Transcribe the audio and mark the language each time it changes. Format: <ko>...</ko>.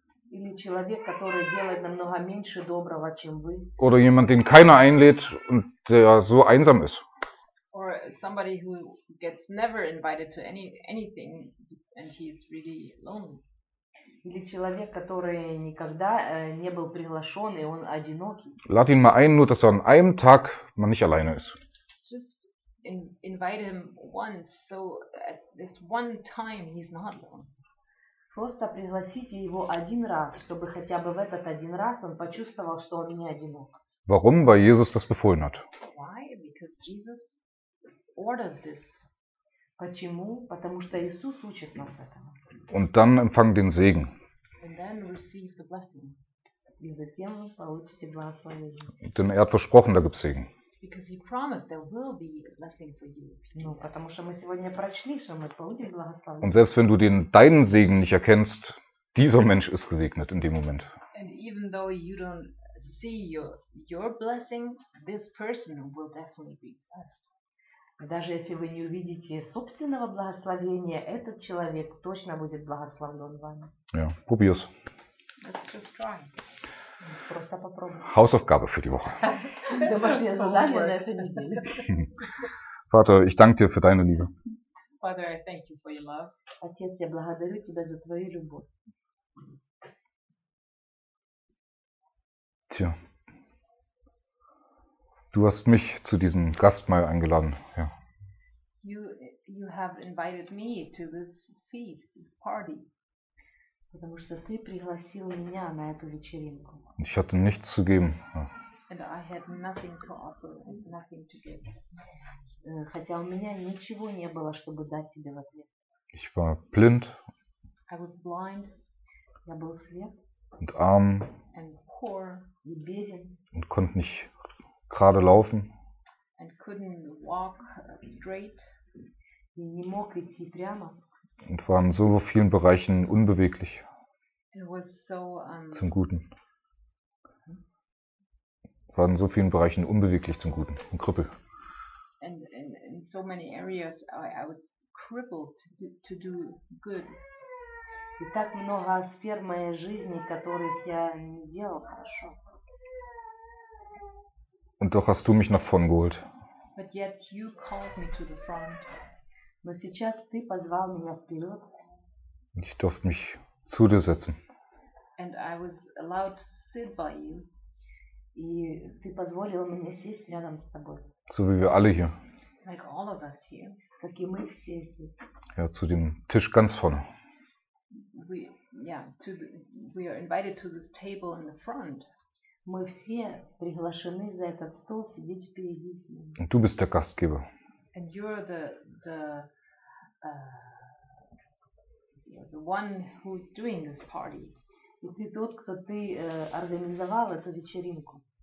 <ru>Или человек, который делает намного меньше доброго, чем вы.</ru> <de>Oder jemand, den keiner einlädt und der so einsam ist.</de> <en>Or somebody who gets never invited to anything and he's really lonely.</en> <ru>Или человек, который никогда не был приглашен, и он одинокий.</ru> <de>Lad ihn mal ein, nur dass an einem Tag man nicht alleine ist.</de> <en>Just invite him once, so at this one time he's not alone.</en> <ru>Просто пригласите его один раз, чтобы хотя бы в этот один раз он почувствовал, что он не одинок.</ru> <de>Warum? Weil Jesus das befohlen hat.</de> <en>Why? Because Jesus ordered this.</en> <ru>Почему? Потому что Иисус учит нас этому.</ru> <de>Und dann empfang den Segen.</de> <en>And then receive the blessing.</en> <ru>И затем вы получите благословение.</ru> <de>Denn er hat versprochen, da gibt es Segen.</de> <en>Because he promised there will be blessing for you.</en> <ru>Ну, потому что мы сегодня прочли, что мы получим благословение.</ru> <de>Und selbst wenn du deinen Segen nicht erkennst, dieser Mensch ist gesegnet in dem Moment.</de> <en>And even though you don't see your blessing, this person will definitely be blessed.</en> <ru>Даже если вы не увидите собственного благословения, этот человек точно будет благословлен вами.</ru> <de>Yeah, probier's.</de> <en>Let's just try.</en> <ru>Просто попробуй.</ru> <de>Hausaufgabe für die Woche.</de> <ru>Домашнее задание на этой неделе.</ru> <de>Vater, ich danke dir für deine Liebe.</de> <en>Father, I thank you for your love.</en> <ru>Отец, я благодарю тебя за твою любовь. Tja.</ru> <de>Du hast mich zu diesem Gastmahl eingeladen, ja.</de> <en>You have invited me to this feast, this party.</en> <ru>Потому что ты пригласил меня на эту вечеринку.</ru> <de>Ich hatte nichts zu geben. Ja.</de> <en>And I had nothing to offer, nothing to give.</en> <ru>Хотя у меня ничего не было, чтобы дать тебе в ответ.</ru> <de>Ich war blind.</de> <en>I was blind.</en> <ru>Я был слеп.</ru> <de>Und arm.</de> <en>And poor.</en> <ru>И беден.</ru> <de>Und konnte nicht gerade laufen.</de> <en>And couldn't walk straight.</en> <ru>И не мог идти прямо.</ru> <de>Und war in so vielen Bereichen unbeweglich.</de> <en>It was so,</en> <de>zum Guten. War in so vielen Bereichen unbeweglich zum Guten. Ein Krüppel.</de> <en>And in so many areas I was crippled to do good.</en> <ru>И так много сфер моей жизни, которых я не делал хорошо.</ru> <de>Und doch hast du mich nach vorn geholt.</de> <en>But yet you called me to the front.</en> <ru>Но сейчас ты позвал меня вперед.</ru> <de>Und ich durfte mich zu dir setzen.</de> <en>And I was allowed to sit by you.</en> <ru>И ты позволил мне сесть рядом с тобой.</ru> <de>So wie wir alle hier.</de> <en>Like all of us here.</en> <ru>Как и мы все здесь.</ru> <de>Ja, zu dem Tisch ganz vorne.</de> <en>We are invited to this table in the front.</en> <ru>Мы все приглашены за этот стол сидеть впереди с ним.</ru> <de>Du bist der Gastgeber.</de> <en>And you are the one who's doing this party.</en> <ru>И ты тот, кто ты организовал эту вечеринку.</ru>